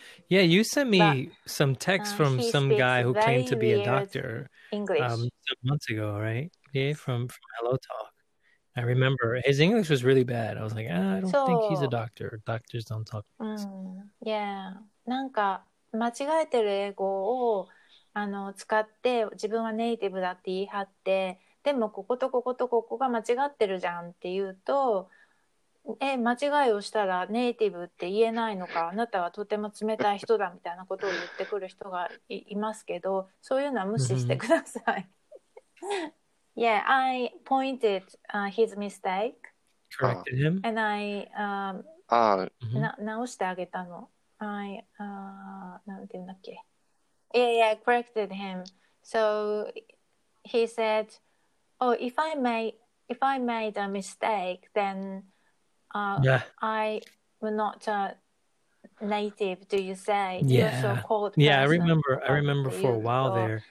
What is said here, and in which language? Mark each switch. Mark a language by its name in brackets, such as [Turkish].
[English] Yeah, you sent me some text from some guy who claimed to be a doctor English. Some months ago, right? Yeah, from Hello Talk. I remember his English was really bad. I was like, I don't think he's a doctor. Doctors don't talk. Yeah. [Japanese] なんか間違えてる英語を使って自分はネイティブだって言い張って、でもこことこことここが間違ってるじゃんって言うと。間違いをしたらネイティブって言えないのか、あなたはとても冷たい人だみたいなことを言ってくる人が いますけど、そういうのは無視してください。 [English] Yeah, I pointed、his mistake. Corrected him. And I、 [Japanese] 直してあげたの。 I、なんて言うんだっけ。 [English] Yeah, corrected him. So he said, oh, if I made a mistake, then... I am not a native, do you say? Yeah. So-called yeah, I remember for a while there.